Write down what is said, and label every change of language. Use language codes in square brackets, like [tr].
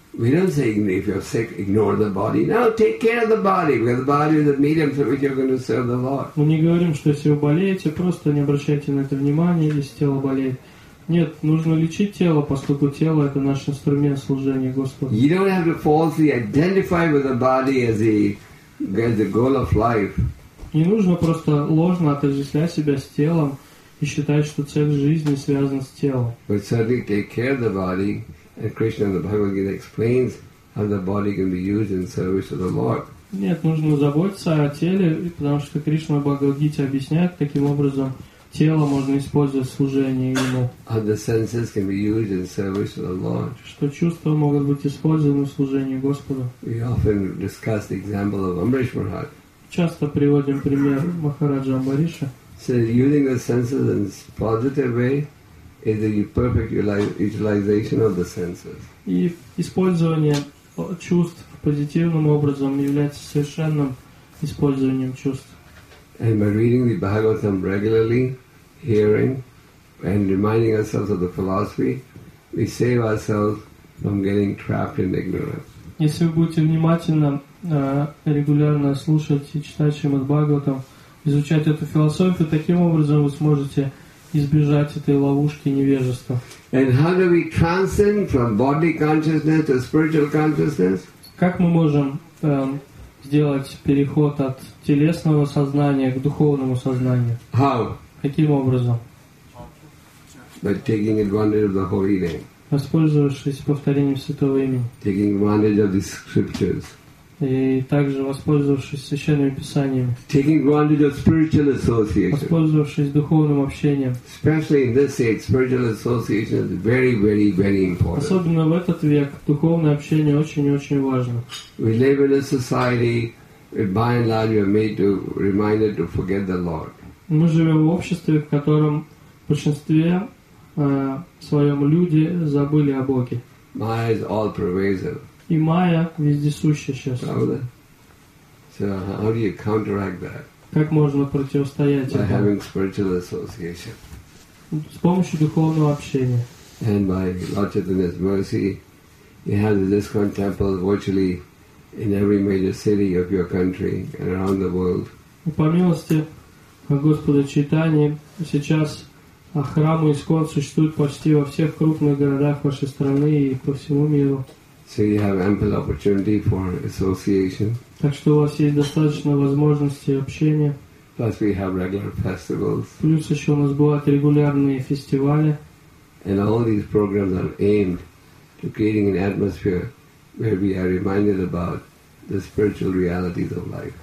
[en] We don't say if you're sick, ignore the body. No, take care of the body, because the body is the medium through which you're going to serve the Lord. [ru] Мы не говорим, что если вы болеете, просто не обращайте на это внимания, если тело болеет. Нет, нужно лечить тело, поскольку тело это наш инструмент служения Господу. [en] You don't have to falsely identify with the body as the goal of life. [ru] Не нужно просто ложно отождествлять себя с телом и считать, что цель жизни связана с телом. [en] But certainly take care of the body. And Krishna in the Bhagavad Gita explains how the body can be used in service of the Lord. [ru] Нет, нужно заботиться о теле, потому что Кришна в Бхагавад Гите объясняет, каким образом тело можно использовать в служении ему. [en] How the senses can be used in service of the Lord. [ru] Что чувства могут быть использованы в служении Господу. [en] We often discuss the example of Amrish Maharaj. [ru] Часто приводим пример Махараджа Амбариша. [en] So using the senses in a positive way. Is the perfect utilization of the senses. [ru] И использование чувств позитивным образом является совершенным использованием чувств. [en] And by reading the Bhagavatam regularly, hearing, and reminding ourselves of the philosophy, we save ourselves from getting trapped in ignorance. [ru] Если вы будете внимательно регулярно слушать и читать Шримад Бхагаватам, изучать эту философию, таким образом вы сможете избежать этой ловушки невежества. [en] And how do we transcend from body consciousness to spiritual consciousness? [ru] Как мы можем сделать переход от телесного сознания к духовному сознанию? [en] How? [ru] Каким образом? [en] By taking advantage of the holy name. [ru] Воспользовавшись повторением святого имени. [en] Taking advantage of the scriptures. [ru] И также воспользовавшись священными писаниями. [en] Taking advantage of spiritual association. [ru] Воспользовавшись духовным общением. [en] Especially in this age, spiritual association is very, very, very important. [ru] Особенно в этот век духовное общение очень-очень важно. [en] We live in a society where by and large we are made to remind it to forget the Lord. [ru] Мы живем в обществе, в котором в большинстве своем люди забыли о Боге. [en] Maya is all pervasive. [ru] И майя вездесущая сейчас. Правда? [en] So how do you counteract that? [ru] Как можно противостоять этому? [en] By having spiritual association. [ru] С помощью духовного общения. [en] And by Lord Chaitanya's mercy, he has his ISKCON temple virtually in every major city of your country and around the world. [ru] И по милости Господа Чайтаньи, сейчас храмы ИСККОН существуют почти во всех крупных городах вашей страны и по всему миру. [en] So you have ample opportunity for association. [ru] Так что у вас есть достаточно возможностей общения. [en] Plus we have regular festivals. [ru] Плюс еще у нас бывают регулярные фестивали. [en] And all these programs are aimed to creating an atmosphere where we are reminded about the spiritual realities of life.